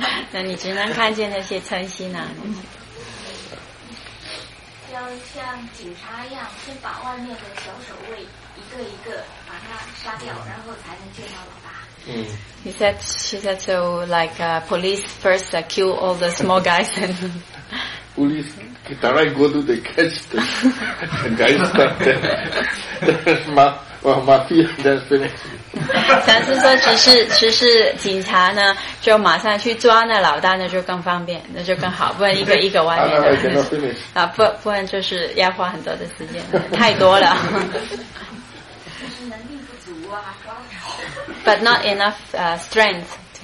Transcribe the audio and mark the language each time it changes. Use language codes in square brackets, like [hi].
[zh] 那你只能看见那些嗔心啊。要像警察一样，先把外面的小守卫一个一个把他杀掉，然后才能见到老大。 [en] She said so like police first kill all the small guys and police direct go to the catch the guys mafia that's finished. [zh] 禅师说只是警察呢就马上去抓那老大，那就更方便，那就更好，不然一个一个外面的不然就是要花很多的时间，太多了。就是能力不足。 [en] but not enough strength to